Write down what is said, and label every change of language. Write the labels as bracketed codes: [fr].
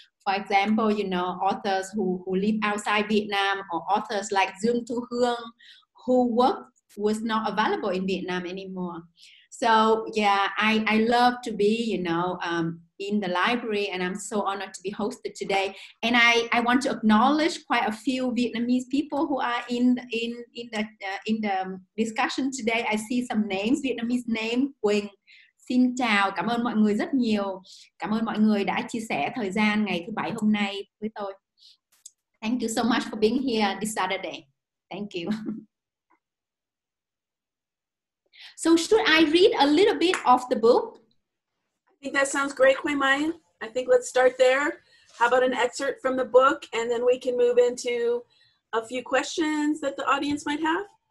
[en] For example, you know, authors who live outside Vietnam, or authors like Dương Thu Hương, whose work was not available in Vietnam anymore. So yeah, I love to be, you know, in the library, and I'm so honored to be hosted today. And I want to acknowledge quite a few Vietnamese people who are in the discussion today. I see some names, Vietnamese name, Quỳnh. [vi] Xin chào, cảm ơn mọi người rất nhiều. Cảm ơn mọi người đã chia sẻ thời gian ngày thứ bảy hôm nay với tôi. [en] Thank you so much for being here this Saturday. Thank you. So should I read a little bit of the book? I think that sounds great, Quê Mai. I think let's start there. How about an excerpt from the book, and then we can move into a few questions that the audience might have?